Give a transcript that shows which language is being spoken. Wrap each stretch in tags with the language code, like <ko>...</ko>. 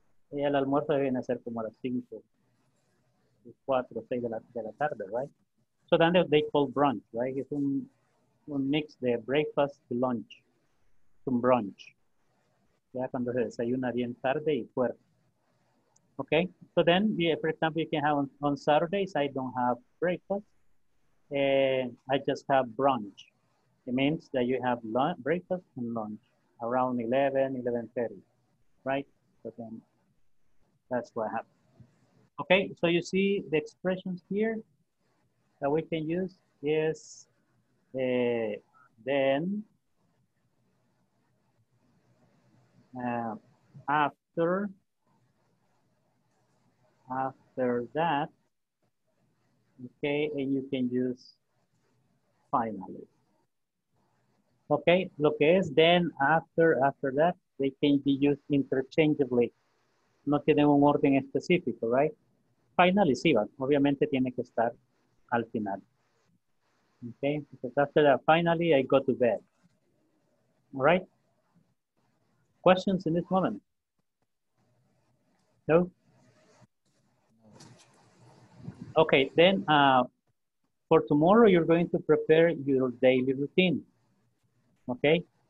<es>Y el almuerzo viene a ser como a las 5.</es> <en>4 or 6</en> <es>de la tarde,</es> <en>right? So then they call brunch, right? It's un mix de breakfast to lunch, to brunch.</en> <es>Ya cuando se desayuna bien tarde y fuerte.</es> <en>Okay? So then, yeah, for example, you can have on Saturdays, I don't have breakfast. I just have brunch. It means that you have breakfast and lunch around 11, 11:30, right? So then that's what happens. Okay, so you see the expressions here. that we can use is then, after that, okay, and you can use finally. Okay,</en> <es>lo que es</es> <en>then, after that, they can be used interchangeably.</en> <es>No tienen un orden específico, right? Finally, sí, obviamente tiene que estar al final.</es> <en>Okay, because after that, finally, I go to bed. All right? Questions in this moment? No? Okay, then for tomorrow, you're going to prepare your daily routine. Okay?</en>